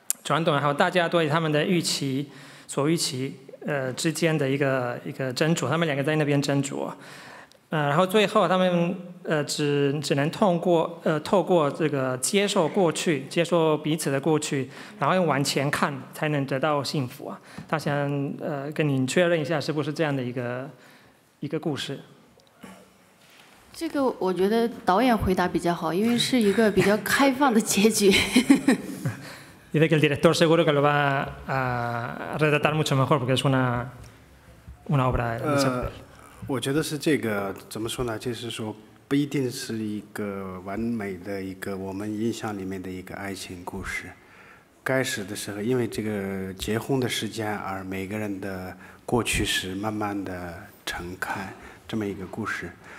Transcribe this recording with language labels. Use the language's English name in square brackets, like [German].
[Chinese] 传统，还有大家对他们的预期所预期之间的一个斟酌，他们两个在那边斟酌，然后最后他们只能透过这个接受过去，接受彼此的过去，然后往前看才能得到幸福啊。他想跟您确认一下是不是这样的一个故事。这个我觉得导演回答比较好，因为是一个比较开放的结局。 [Spanish] Dice que el director seguro que lo va a redactar mucho mejor porque es una obra de Chappell. [Chinese] 我觉得是这个怎么说呢？就是说不一定是一个完美的一个我们印象里面的一个爱情故事。开始的时候，因为这个结婚的时间而每个人的过去是慢慢的敞开这么一个故事。